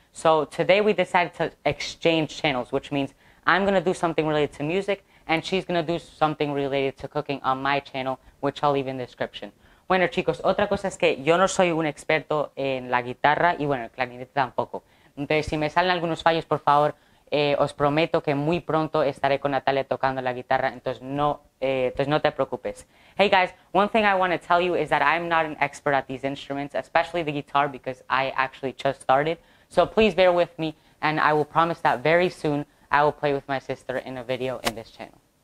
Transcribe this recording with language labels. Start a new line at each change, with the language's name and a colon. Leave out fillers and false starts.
English: So today we decided to exchange channels, which means I'm going to do something related to music and she's going to do something related to cooking on my channel, which I'll leave in the description.
Spanish: Bueno, chicos, otra cosa es que yo no soy un experto en la guitarra y bueno, el clarinete tampoco. Entonces, si me salen algunos fallos, por favor, os prometo que muy pronto estaré con Natalia tocando la guitarra, entonces no te preocupes.
English: Hey guys, one thing I want to tell you is that I'm not an expert at these instruments, especially the guitar, because I actually just started. So please bear with me, and I will promise that very soon I will play with my sister in a video in this channel.